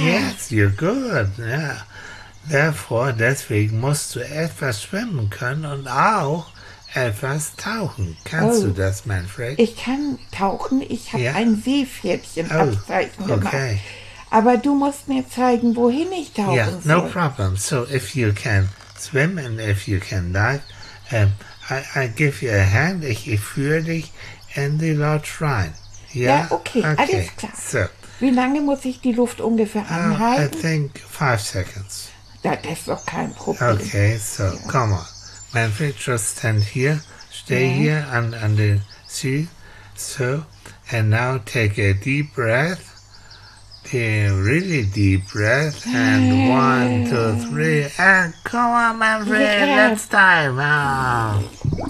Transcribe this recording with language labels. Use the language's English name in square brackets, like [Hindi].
[English] Yes, you're good. Yeah. [German] Deswegen musst du etwas schwimmen können und auch etwas tauchen. Kannst du das, Manfred? Ich kann tauchen. Ich habe ein Seepferdchen-Abzeichen gemacht. Aber du musst mir zeigen, wohin ich tauchen soll. [English] No problem. So, if you can swim and if you can dive, I give you a hand. [German] Ich führe dich in die Lodge rein. Okay. Alles klar. So. Wie lange muss ich die Luft ungefähr anhalten? [English] I think 5 seconds. [German] Das ist doch kein Problem. [English] Okay, so, come on. Manfred, just stand here, stay here and the sea, so, and now take a deep breath, a really deep breath, and 1, 2, 3, and come on, Manfred, let's dive.